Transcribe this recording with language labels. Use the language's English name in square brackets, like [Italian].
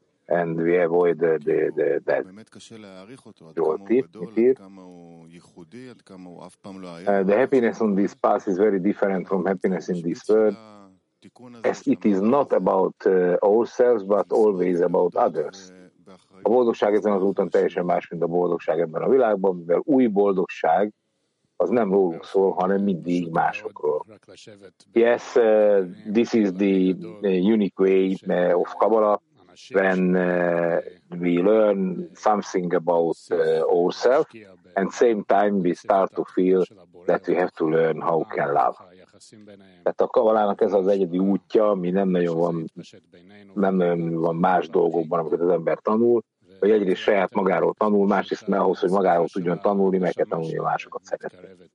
[English] And we avoid the happiness on this path is very different from happiness in this world, as it is not about ourselves, but always about others. [Hungarian] A boldogság ezen az úton teljesen más, mint a boldogság ebben a világban, mivel új boldogság az nem rólunk szól, hanem mindig másokról. [English] Yes, this is the unique way of Kabbalah. When we learn something about ourselves, and same time we start to feel that we have to learn how we can love. [Hungarian] Tehát a kabbalának ez az egyedi útja, ami nem nagyon van más dolgokban, amiket az ember tanul, hogy egyrészt saját magáról tanul, másrészt mert ahhoz, hogy magáról tudjon tanulni, meg kell tanulni másokat szeretni.